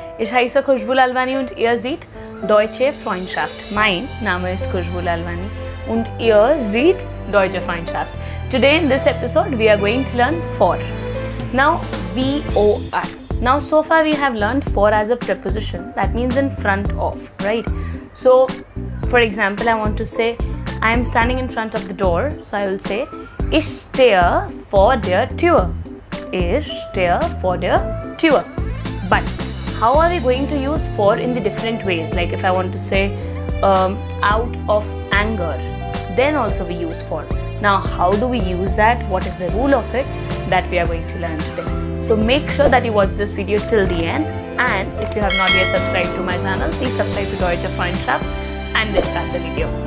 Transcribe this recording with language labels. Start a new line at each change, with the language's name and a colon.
German: Ich heiße Khushboo und ihr seht Deutsche Freundschaft. Mein Name ist Khushboo und ihr seht Deutsche Freundschaft.
English: Today in this episode we are going to learn for. Now V-O-R. Now so far we have learned for as a preposition. That means in front of, right? So for example, I want to say I am standing in front of the door.
German: So I will say Ich stehe vor der Tür. Ich stehe vor der Tür.
English: But how are we going to use for in the different ways? Like if I want to say out of anger, then also we use for. Now how do we use that? What is the rule of it that we are going to learn today? So make sure that you watch this video till the end. And if you have not yet subscribed to my channel, please subscribe to Deutsche Freundschaft and let's start the video.